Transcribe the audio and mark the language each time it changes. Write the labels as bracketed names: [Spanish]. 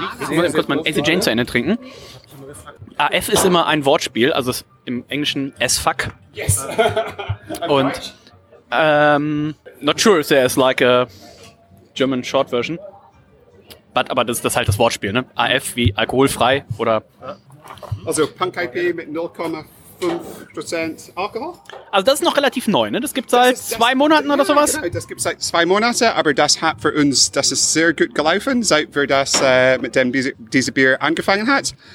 [German] Ich muss kurz mein AC Jane zu Ende trinken. AF ist immer ein Wortspiel, also im Englischen [English] as fuck. Yes. Und not sure if there is like a German short version. [German] Aber das ist halt das Wortspiel, ne? AF wie alkoholfrei oder. Also Punk IP mit 0,5% Alkohol. Also das ist noch relativ neu, ne? Das gibt es seit zwei Monaten oder sowas? Genau, das gibt es seit zwei Monaten, aber das hat für uns, das ist sehr gut gelaufen, seit wir das mit dem diese Bier angefangen hat.